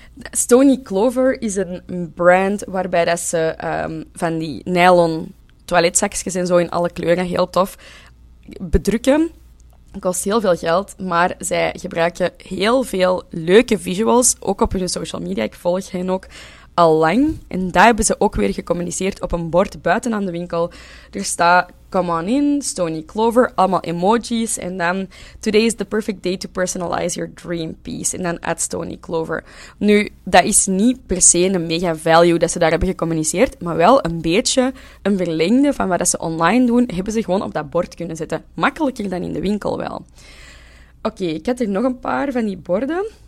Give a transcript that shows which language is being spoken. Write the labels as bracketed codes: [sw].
[nl] Stony Clover is een brand waarbij dat ze van die nylon toiletzakjes en zo in alle kleuren, heel tof, bedrukken. Kost heel veel geld, maar zij gebruiken heel veel leuke visuals, ook op hun social media. Ik volg hen ook al lang. En daar hebben ze ook weer gecommuniceerd op een bord buiten aan de winkel. Er staat, [en] come on in, [nl] Stony Clover, allemaal emojis. En dan, [en] today is the perfect day to personalize your dream piece. [nl] En dan at Stony Clover. Nu, dat is niet per se een mega value dat ze daar hebben gecommuniceerd, maar wel een beetje een verlengde van wat ze online doen, hebben ze gewoon op dat bord kunnen zetten. Makkelijker dan in de winkel wel. Oké, ik heb er nog een paar van die borden.